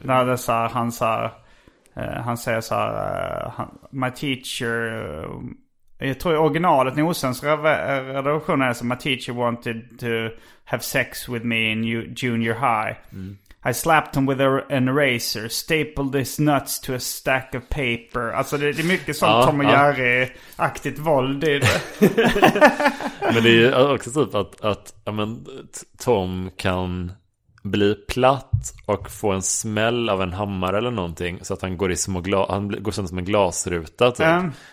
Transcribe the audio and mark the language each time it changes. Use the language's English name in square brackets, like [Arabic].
[Swedish] När det är så här, han så här, han säger så här, [English] my teacher, [Swedish] jag tror i originalet Nosens redaktion är så, [English] my teacher wanted to have sex with me in junior high. [Swedish] Mm. [English] I slapped him with an eraser, stapled his nuts to a stack of paper. [Swedish] Alltså det är mycket sånt, ja, Tom och Jerry-aktigt våld i det. Men det är också typ att ja, men Tom kan bli platt och få en smäll av en hammare eller någonting, så att han går i små han går som en glasruta typ.